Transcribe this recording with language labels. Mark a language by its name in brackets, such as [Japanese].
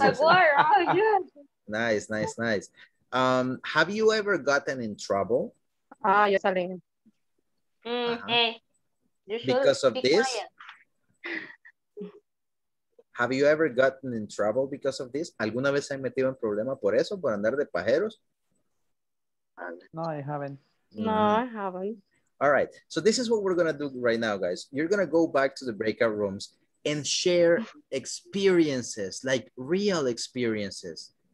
[English] At work. Oh, yeah. Nice. Have you ever gotten in trouble? Yes, Aline. Because of this? Have you ever gotten in trouble because of this? [Spanish] ¿Alguna vez se han metido en problema por eso, por andar de pajeros? [English] No, I haven't. No, I haven't. All right. So this is what we're going to do right now, guys. You're going to go back to the breakout rooms and share experiences, like real experiences.